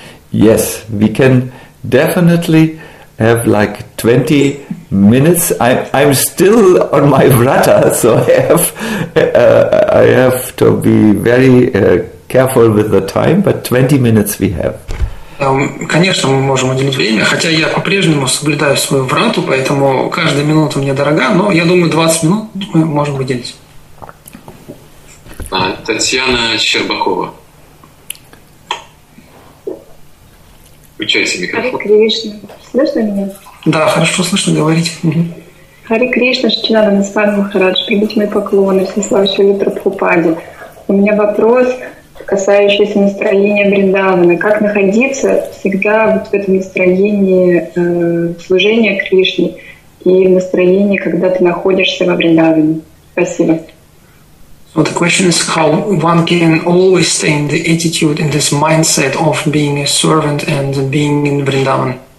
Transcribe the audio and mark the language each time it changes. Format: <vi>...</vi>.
<en>Yes, we can definitely have like 20 minutes. I'm still on my vrata, so I have to be very careful with the time, but 20 minutes we have.</en> <ru>Конечно, мы можем уделить время, хотя я по-прежнему соблюдаю свою врату, поэтому каждая минута мне дорога, но я думаю, 20 минут мы можем выделить. Татьяна Щербакова. Включайте микрофон. Хари Кришна. Слышно меня? Да, хорошо слышно, говорите. Хари Кришна, Шичинада Насвами Махарадж, прибыть мои поклоны, все слава Шри Прабхупаде. У меня вопрос, касающееся настроения Вриндавана. Как находиться всегда вот в этом настроении служения Кришне? и настроение, когда ты находишься во Вриндаване. Спасибо.</ru> <en>So the question is how one can always stay in the attitude, in this mindset of being a servant and being in Vrindavan.</en>